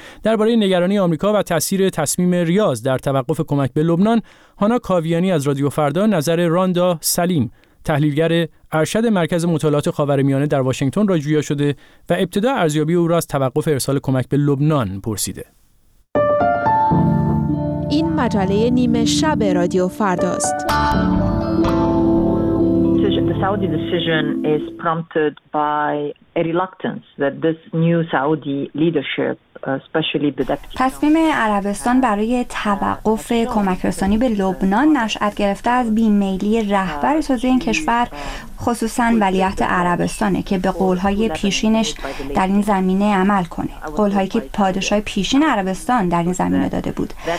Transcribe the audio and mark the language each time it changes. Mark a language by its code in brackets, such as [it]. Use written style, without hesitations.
[fa] درباره نگرانی آمریکا و تاثیر تصمیم ریاض در توقف کمک به لبنان، هانا کاویانی از رادیو فردا نظر راندا سلیم، تحلیلگر ارشد مرکز مطالعات خاورمیانه در واشنگتن را جویا شده و ابتدا ارزیابی او را از توقف ارسال کمک به لبنان پرسیده. این مجله نیمه شب رادیو فردا است. [en] Saudi decision is prompted by a reluctance that this new Saudi leadership, especially the deputy. [fa] تصمیم عربستان برای توقف کمک رسانی به لبنان نشأت گرفته از بی‌میلی رهبر سازی این کشور، خصوصا ولیعهد عربستانه که به قول‌های پیشینش در این زمینه عمل کنه. قول‌هایی که پادشاه پیشین عربستان در این زمینه داده بود.